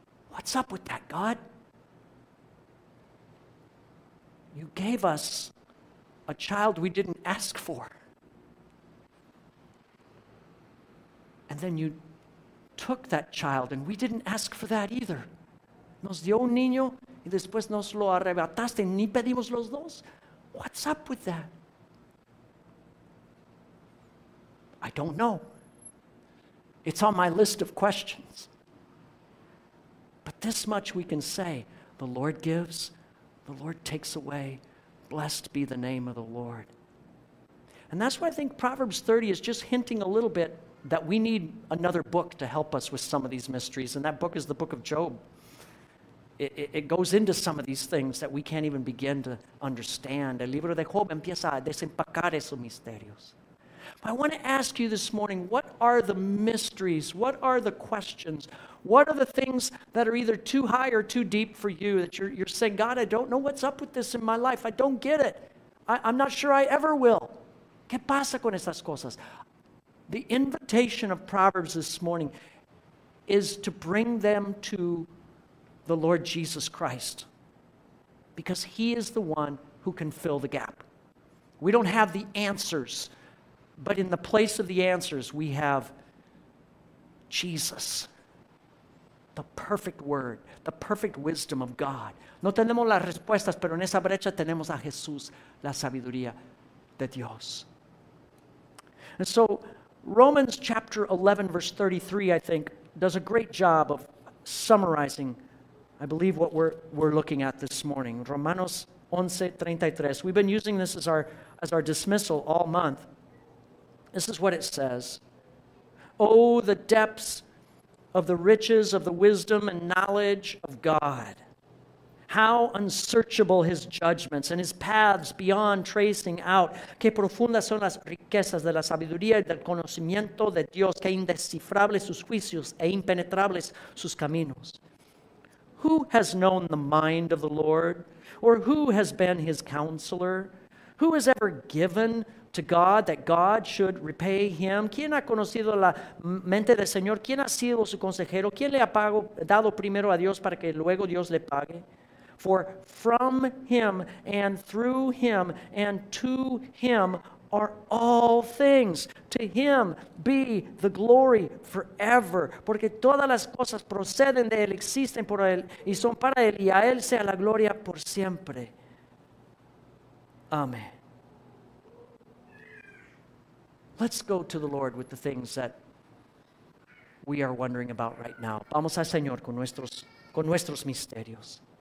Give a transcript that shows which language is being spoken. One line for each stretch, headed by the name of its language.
English: What's up with that, God? You gave us a child we didn't ask for. And then you took that child, and we didn't ask for that either.
Spanish: Nos dio un niño y después nos lo arrebataste, ni pedimos los dos.
English: What's up with that? I don't know. It's on my list of questions. But this much we can say, the Lord gives, the Lord takes away, blessed be the name of the Lord. And that's why I think Proverbs 30 is just hinting a little bit that we need another book to help us with some of these mysteries, and that book is the book of Job. It goes into some of these things that we can't even begin to understand.
Spanish: El libro de Job empieza a desempacar esos misterios.
English: But I want to ask you this morning, what are the mysteries? What are the questions? What are the things that are either too high or too deep for you that you're saying, God, I don't know what's up with this in my life. I don't get it. I'm not sure I ever will.
Spanish: ¿Qué pasa con esas cosas?
English: The invitation of Proverbs this morning is to bring them to the Lord Jesus Christ, because he is the one who can fill the gap. We don't have the answers, but in the place of the answers, we have Jesus, the perfect word, the perfect wisdom of God.
Spanish: No tenemos las respuestas, pero en esa brecha tenemos a Jesús, la sabiduría de Dios.
English: And so Romans chapter 11, verse 33, I think, does a great job of summarizing, I believe, what we're looking at this morning. Romanos 11:33. We've been using this as our dismissal all month. This is what it says. Oh, the depths of the riches of the wisdom and knowledge of God. How unsearchable his judgments and his paths beyond tracing out.
Spanish: Qué profundas son las riquezas de la sabiduría y del conocimiento de Dios. Qué indescifrables sus juicios e impenetrables sus caminos.
English: Who has known the mind of the Lord? Or who has been his counselor? Who has ever given to God that God should repay him?
Spanish: ¿Quién ha conocido la mente del Señor? ¿Quién ha sido su consejero? ¿Quién le ha dado primero a Dios para que luego Dios le pague?
English: For from him and through him and to him are all things. To him be the glory forever.
Spanish: Porque todas las cosas proceden de él, existen por él, y son para él, y a él sea la gloria por siempre.
English: Amen. Let's go to the Lord with the things that we are wondering about right now.
Spanish: Vamos al Señor con nuestros misterios.